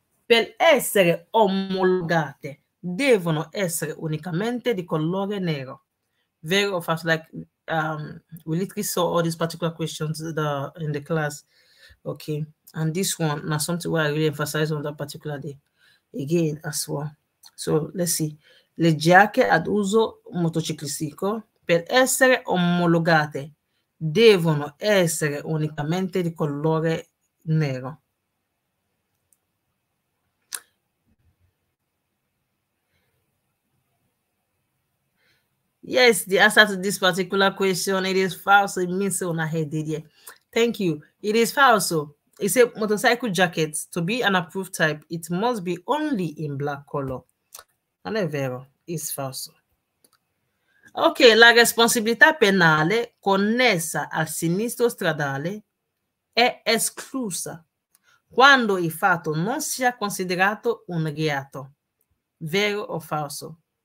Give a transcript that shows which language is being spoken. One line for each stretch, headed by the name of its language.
Italian: Per essere omologate, devono essere unicamente di colore nero. Vero o falso?
English: We literally saw all these particular questions in the class. Okay. And this one, now something where I really emphasize on that particular day again as well. So let's see.
Italian: Le giacche ad uso motociclistico, per essere omologate, devono essere unicamente di colore nero.
English: Yes, the answer to this particular question, it is false. It means on ahead, did yeah. Thank you. It is false. It's a motorcycle jacket. To be an approved type, it must be only in black color. And it's false.
Italian: Ok, la responsabilità penale connessa al sinistro stradale è esclusa quando il fatto non sia considerato un reato, vero o falso?